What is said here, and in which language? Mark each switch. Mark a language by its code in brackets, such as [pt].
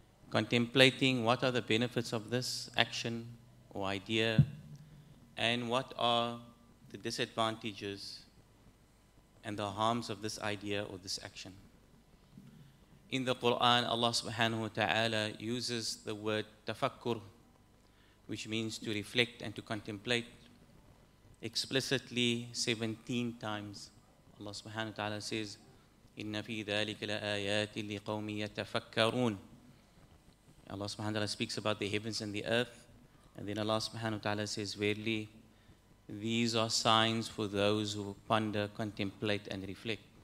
[en] Contemplating what are the benefits of this action or idea, and what are the disadvantages and the harms of this idea or this action. In the Quran, Allah subhanahu wa ta'ala uses the word tafakkur, which means to reflect and to contemplate, explicitly 17 times. Allah subhanahu wa ta'ala says, [ar] إِنَّ فِي ذَلِكَ لَآيَاتٍ لِقَوْمٍ يَتَفَكَّرُونَ. [en] Allah subhanahu wa ta'ala speaks about the heavens and the earth. And then Allah subhanahu wa ta'ala says, verily, these are signs for those who ponder, contemplate, and reflect.